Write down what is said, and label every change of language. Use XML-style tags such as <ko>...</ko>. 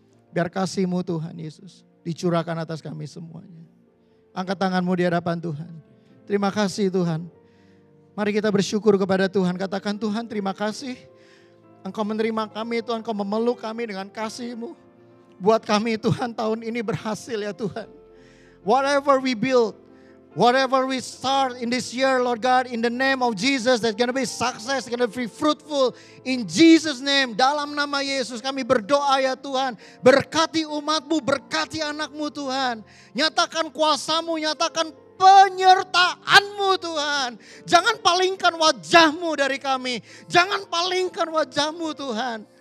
<id>Biar kasih-Mu Tuhan Yesus dicurahkan atas kami semuanya. Angkat tangan-Mu di hadapan Tuhan. Terima kasih Tuhan. Mari kita bersyukur kepada Tuhan. Katakan Tuhan terima kasih. Engkau menerima kami Tuhan. Engkau memeluk kami dengan kasih-Mu. Buat kami Tuhan tahun ini berhasil ya Tuhan.</id> <en>whatever we build, whatever we start in this year, Lord God, in the name of Jesus, that's going to be success, going to be fruitful. In Jesus' name,</en> <id>dalam nama Yesus, kami berdoa ya Tuhan. Berkati umat-Mu, berkati anak-Mu Tuhan. Nyatakan kuasa-Mu, nyatakan penyertaan-Mu Tuhan. Jangan palingkan wajah-Mu dari kami. Jangan palingkan wajah-Mu Tuhan.</id>